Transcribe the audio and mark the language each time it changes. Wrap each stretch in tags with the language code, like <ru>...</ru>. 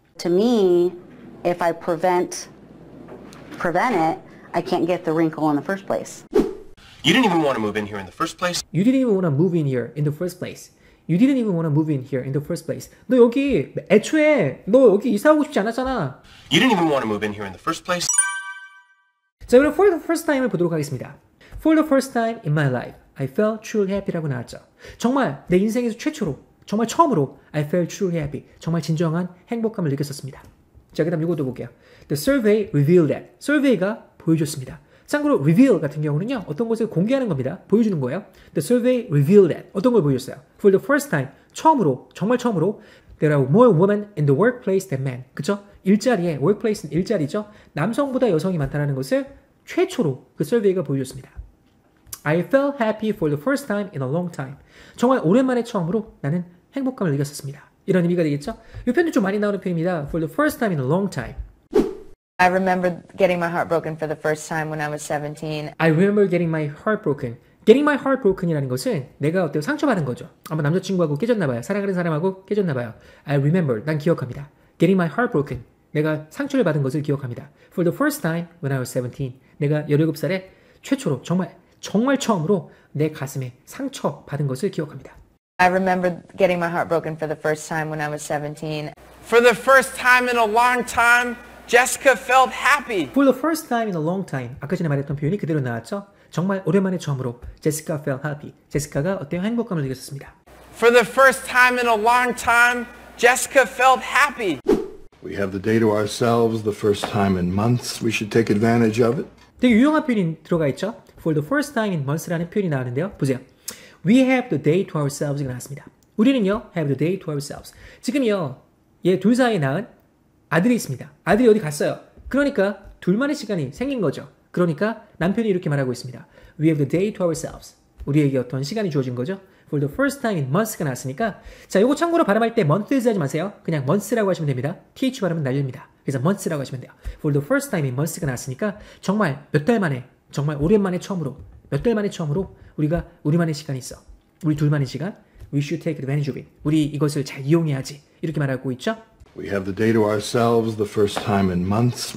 <en>To me, if I prevent it, I can't get the wrinkle in the first place. You didn't even want to move in here in the first place. You didn't even want to move in here in the first place. You didn't even want to move in here in the first place.</en> <ko>너 여기 애초에 너 여기 이사하고 싶지 않았잖아.</ko> <en>You didn't even want to move in here in the first place.</en> <ko>자, 그럼</ko> <en>for the first time을</en> <ko>보도록 하겠습니다.</ko> <en>For the first time in my life, I felt truly happy라고 나왔죠.</en> <ko>정말 내 인생에서 최초로, 정말 처음으로</ko> <en>I felt truly happy.</en> <ko>정말 진정한 행복감을 느꼈었습니다. 자, 그 다음 이것도 볼게요.</ko> <en>The survey revealed that.</en> <ko>서베이가 보여줬습니다. 참고로 reveal 같은 경우는요. 어떤 것을 공개하는 겁니다. 보여주는 거예요.</ko> <en>The survey revealed that.</en> <ko>어떤 걸 보여줬어요?</ko> <en>For the first time.</en> <ko>처음으로, 정말 처음으로</ko> <en>there are more women in the workplace than men.</en> <ko>그쵸? 일자리에, workplace는 일자리죠. 남성보다 여성이 많다는 것을 최초로 그 survey가 보여줬습니다.</ko> <en>I felt happy for the first time in a long time.</en> <ko>정말 오랜만에 처음으로 나는 행복감을 느꼈었습니다. 이런 의미가 되겠죠? 이 편도 좀 많이 나오는 편입니다.</ko> <en>For the first time in a long time. I remember getting my heart broken for the first time when I was 17. I remember getting my heart broken. Getting my heart broken이라는 것은</en> <ko>내가 어때요? 상처받은 거죠. 아마 남자친구하고 깨졌나 봐요. 사랑하는 사람하고 깨졌나 봐요.</ko> <en>I remember.</en> <ko>난 기억합니다.</ko> <en>Getting my heart broken.</en> <ko>내가 상처를 받은 것을 기억합니다.</ko> <en>For the first time when I was 17.</en> <ko>내가 17살에 최초로 정말 정말 처음으로 내 가슴에 상처 받은 것을 기억합니다.</ko> <en>I remember getting my heart broken for the first time when I was 17. For the first time in a long time. Jessica felt happy. For the first time in a long time.</en> <ko>아까 전에 말했던 표현이 그대로 나왔죠. 정말 오랜만에 처음으로</ko> <en>Jessica felt happy.</en> <ko>Jessica가 어때요? 행복감을 느꼈습니다.</ko> <en>For the first time in a long time, Jessica felt happy. We have the day to ourselves, the first time in months. We should take advantage of it.</en> <ko>되게 유용한 표현이 들어가 있죠.</ko> <en>For the first time in months라는 표현이 나왔는데요.</en> <ko>보세요.</ko> <en>We have the day to ourselves가 나왔습니다. 우리는요, have the day to ourselves.</en> <ko>지금요, 얘 둘 사이에 낳은 아들이 있습니다. 아들이 어디 갔어요. 그러니까 둘만의 시간이 생긴 거죠. 그러니까 남편이 이렇게 말하고 있습니다.</ko> <en>We have the day to ourselves.</en> <ko>우리에게 어떤 시간이 주어진 거죠. For the first time in months가 나왔으니까 자, 이거 참고로 발음할 때 months 하지 마세요. 그냥 months라고 하시면 됩니다. th 발음은 날립니다. 그래서 months라고 하시면 돼요. For the first time in months가 나왔으니까 정말 몇 달 만에, 정말 오랜만에 처음으로 몇 달 만에 처음으로 우리가 우리만의 시간이 있어. 우리 둘만의 시간.</ko> <en>We should take advantage of it.</en> <ko>우리 이것을 잘 이용해야지. 이렇게 말하고 있죠.</ko> <en>We have the day to ourselves, the first time in months.</en>